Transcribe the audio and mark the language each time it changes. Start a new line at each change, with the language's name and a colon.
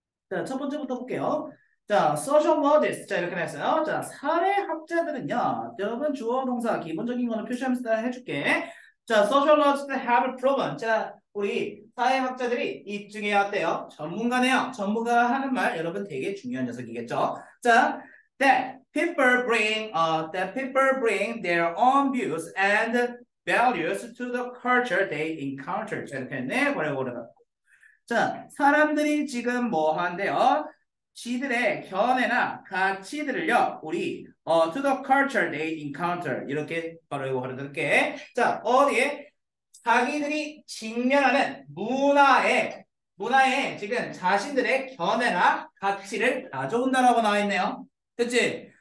Korean: 자, 첫 번째부터 볼게요. 자,
English: social modest.
Korean: 자, 이렇게 했어요. 자, 사회학자들은요. 여러분, 주어 동사 기본적인 거는 표시하면서 다 해줄게.
English: 자, sociologists have proven.
Korean: 자, 우리 사회학자들이 입증해 왔대요. 전문가네요. 전문가가 하는 말, 여러분 되게 중요한 녀석이겠죠.
English: 자, that people bring their own views and values to the culture they encounter.
Korean: 자, 이렇게 했네. 고래고래. 자, 사람들이 지금 뭐 한대요? 지들의 견해나 가치들을요, 우리
English: to the culture they encounter
Korean: 이렇게 바로 이거 가르쳐드릴게. 자, 어디에 자기들이 직면하는 문화에 지금 자신들의 견해나 가치를 가져온다라고 나와 있네요. 그치?